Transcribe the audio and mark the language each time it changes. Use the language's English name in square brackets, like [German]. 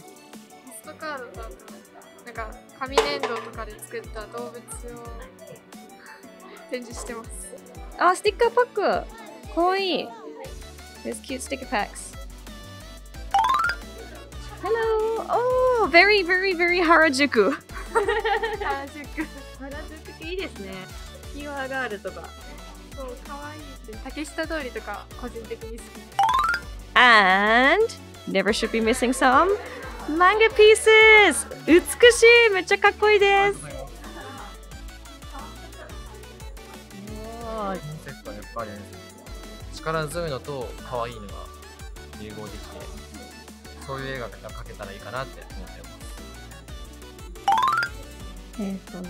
[Japanese] ポストカードだと、なんか紙粘土とかで作った動物を展示してます。あ、スティッカーパック、かわいい。 [English] There's cute sticker packs. Hello! Oh, very very very Harajuku! [Japanese] Harajuku いいですね。キーワーガールとか、そう、可愛い。竹下通りとか個人的に好き。 [English] And never should be missing some manga pieces! [Japanese] 美しい、めっちゃかっこいいです。コンセプトはやっぱり力強いのと可愛いのが融合できて、そういう絵が描けたらいいかなって思ってます。